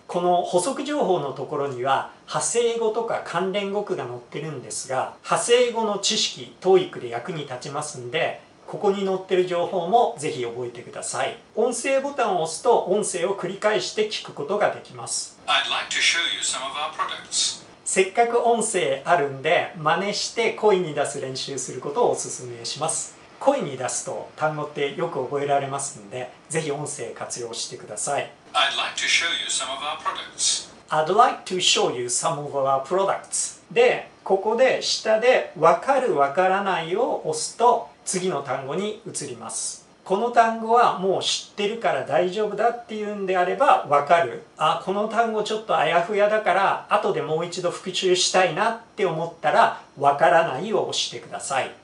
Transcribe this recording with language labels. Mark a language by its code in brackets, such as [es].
[ja] この補足情報のところには派生語とか関連語句が載ってるんですが、派生語の知識 TOEIC で役に立ちますんで、ここに載ってる情報もぜひ覚えてください。音声ボタンを押すと音声を繰り返して聞くことができます。 [en] I'd like to show you some of our products。 [ja] せっかく音声あるんで真似して声に出す練習することをおすすめします。声に出すと単語ってよく覚えられますので、ぜひ音声活用してください。 [en] I'd like to show you some of our products。 I'd like to show you some of our products。 [ja] で、ここで下で分かる分からないを押すと次の単語に移ります。この単語はもう知ってるから大丈夫だっていうんであれば分かる、あ、この単語ちょっとあやふやだから後でもう一度復習したいなって思ったら分からないを押してください。